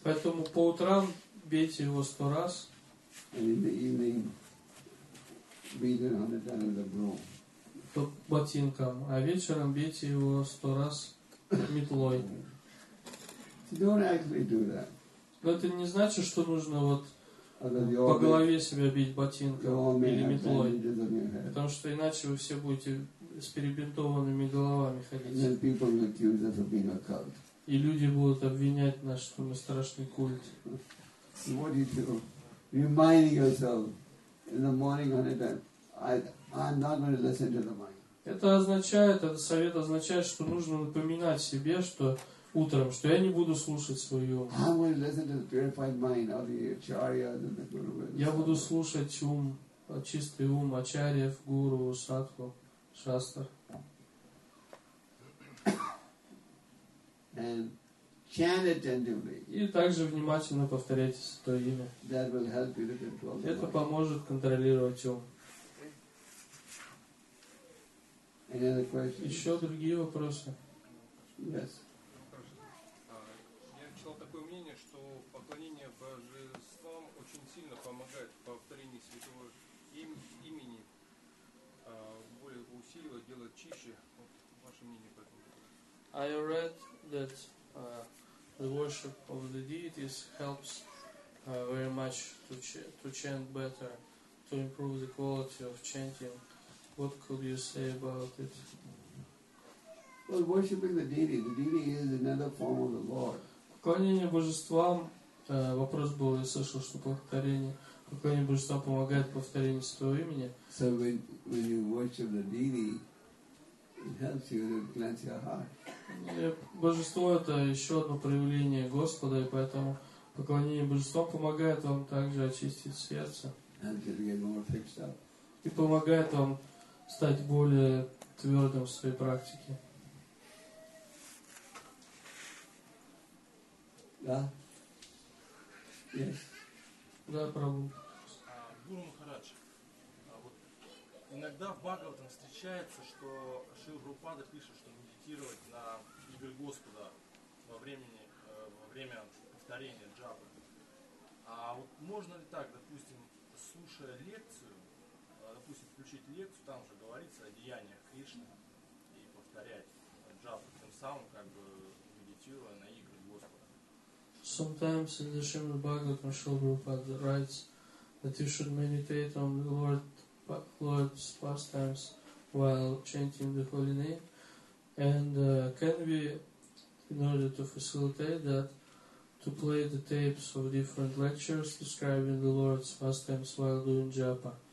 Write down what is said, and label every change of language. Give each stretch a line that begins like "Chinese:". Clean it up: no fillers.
Russian: Поэтому по утрам бейте его 100 раз.
English: And in the evening beat it 100 times with a broom.
Russian: По ботинкам. А вечером бейте его 100 раз метлой.
English: So don't actually do that.
Russian: Но это не значит, что нужно вот по голове себя бить ботинком или метлой. Потому что иначе вы все будете с перебинтованными головами ходить.
English: And then people accuse us of being a cult.
Russian: И люди будут обвинять нас, что мы страшный культ.
English: What do you do? Reminding yourself in the morning on it, I'm not going to listen to the mind.
Russian: Это означает, этот совет означает, что нужно напоминать себе, что утром, что я не буду слушать свою.
English: I'm going to listen to the purified mind of the acharyas and the gurus.
Russian: Я буду слушать ум, чистый ум ачарьев, гуру, садху, шастр.
English: And chant attentively.
Russian: И также внимательно повторяйте святое имя.
English: That will help you to control the mind.
Russian: Это поможет контролировать ум.
English: Any other questions?
Russian: Еще другие вопросы?
English: Yes.
Russian: Я читал такое мнение, что поклонение божествам очень сильно помогает в повторении святого имени, более усиливать, делать чище. Вот ваше мнение по этому.
English: I read that the worship of the deities helps very much to chant better, to improve the quality of chanting. What could you say about it? Well, worshiping the deity is another form of the Lord.
Russian: Поклонение божествам, вопрос был, я слышал, что повторение Поклонение божества помогает повторению своего имени.
English: So when you worship the deity, it helps you to cleanse your heart.
Russian: Божество — это еще одно проявление Господа, и поэтому поклонение божества помогает вам также очистить сердце.
English: And to get more fixed up.
Russian: И помогает вам стать более твердым в своей практике. Да?
English: Yes.
Russian: Да, Прабху. Гуру Махарадж, вот иногда в Бхагаватам встречается, что Шрила Прабхупада пишет, что медитировать на имя Господа во время повторения джапы. А вот можно ли так, допустим, слушая лекцию, допустим, включить лекцию, там же говорится о деяниях Кришны и повторять джапу, тем самым как бы медитируя на игры Господа?
English: Sometimes in the Shrimad Bhagavatam, Shrila Prabhupada writes that you should meditate on the Lord's pastimes while chanting the holy name. And can we, in order to facilitate that, to play the tapes of different lectures describing the Lord's pastimes while doing japa?